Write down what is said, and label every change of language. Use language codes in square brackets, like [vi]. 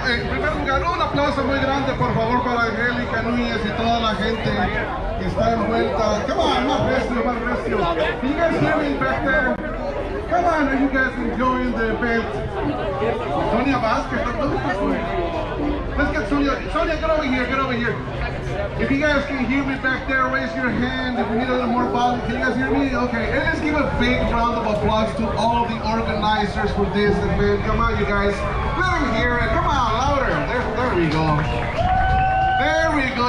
[es] En primer lugar, un aplauso muy grande, por favor, para Angélica Núñez y toda la gente que está envuelta. [en] Come on, [es] más recio, más recio. [en] You guys living back there? Come on, are you guys enjoying the event? [es] Sonia Vázquez, ¿dónde está Sonia? [en] Let's get Sonia. Sonia, get over here, get over here. If you guys can hear me back there, raise your hand. If we need a little more volume, can you guys hear me? Okay, and let's give a big round of applause to all the organizers for this event. Come on, you guys. Let them hear it. Come on, louder. There we go. There we go.